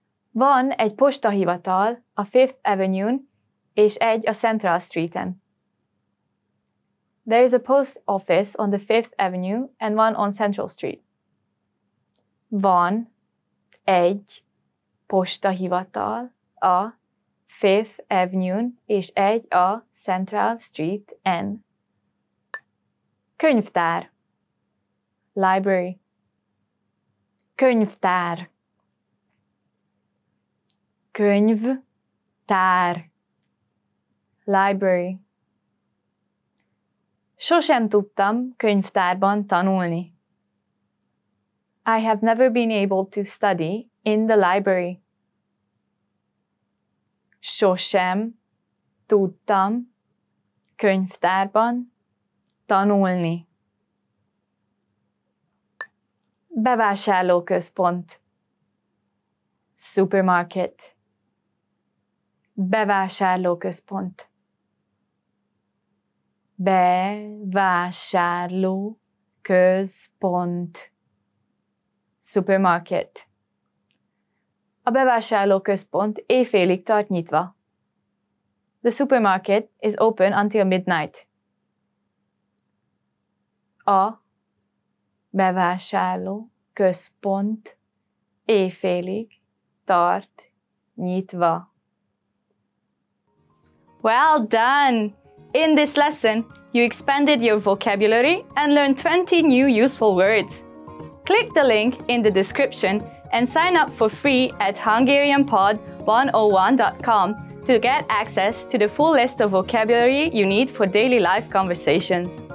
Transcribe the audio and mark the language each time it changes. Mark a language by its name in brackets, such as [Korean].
[Hungarian] Van egy postahivatal a Fifth Avenue-n és egy a Central Street-en. [English] There is a post office on the Fifth Avenue and one on Central Street. [Hungarian] Van egy postahivatal a Fifth Avenue és egy a Central Street-en. Könyvtár. Library. Könyvtár. Könyvtár. Library. Sosem tudtam könyvtárban tanulni. [English] I have never been able to study in the library. [Hungarian] Sosem tudtam könyvtárban tanulni. Bevásárlóközpont. Supermarket. Bevásárlóközpont. Bevásárló központ. [English] Supermarket. [Hungarian] A bevásárló központ éjfélig tart nyitva. [English] The supermarket is open until midnight. [Hungarian] A bevásárló központ éjfélig tart nyitva. [English] Well done! In this lesson, you expanded your vocabulary and learned 20 new useful words. Click the link in the description and sign up for free at HungarianPod101.com to get access to the full list of vocabulary you need for daily life conversations.